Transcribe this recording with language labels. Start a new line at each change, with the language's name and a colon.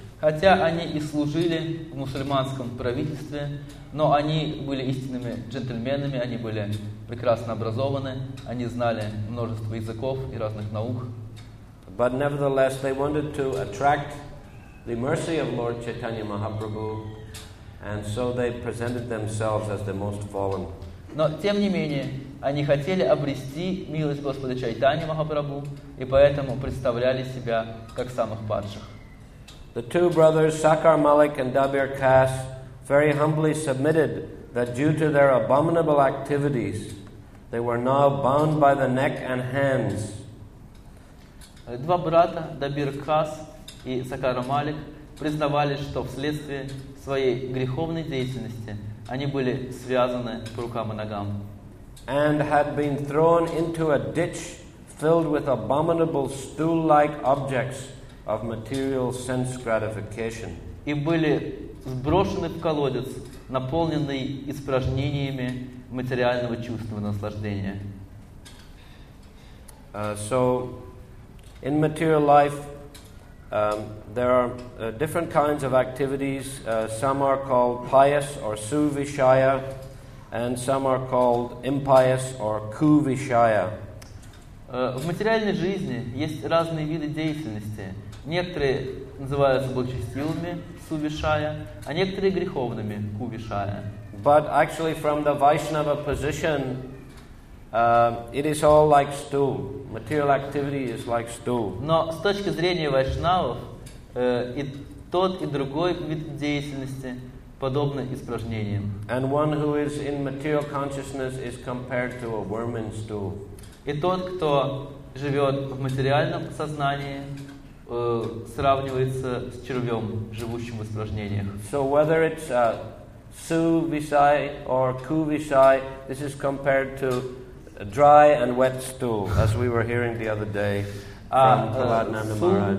Russian: Хотя они и служили в мусульманском правительстве, но они были истинными джентльменами, они были прекрасно образованы, они знали множество языков и разных наук.
English: But nevertheless, they wanted to attract the mercy of Lord Chaitanya Mahaprabhu, and so they presented themselves as the most fallen.
Russian: Но тем не менее, они хотели обрести милость Господа Чайтани Махапрабху, и поэтому представляли себя как самых падших.
English: The two brothers, Sakar Malik and Dabir Khas, very humbly submitted that due to their abominable activities, they were now bound by the neck and hands.
Russian: Два брата, Дабир Кас и Сакар Малик, признавали, что вследствие своей греховной деятельности они были связаны по рукам и ногам.
English: And had been thrown into a ditch filled with abominable stool-like objects of material sense gratification.
Russian: И были сброшены в колодец, наполненный испражнениями материального чувства наслаждения.
English: So, in material life, there are different kinds of activities. Some are called pious or suvishaya, and some are called impious or kuvishaya.
Russian: В материальной жизни есть разные виды деятельности. Некоторые называются благочестивыми, сувишая, а некоторые греховными, кувишая.
English: But actually from the Vaishnava position, it is all like stool. Material activity is like stool.
Russian: Но с точки зрения вайшнавов, и тот, и другой вид деятельности подобны испражнениям.
English: And one who is in material consciousness is compared to a worm in stool.
Russian: И тот, кто живет в материальном сознании, сравнивается с червем, живущим в испражнениях.
English: So whether it's su visai or ku visai, this is compared to a dry and wet stool, as we were hearing the other day from Kaladnanda Maharaj.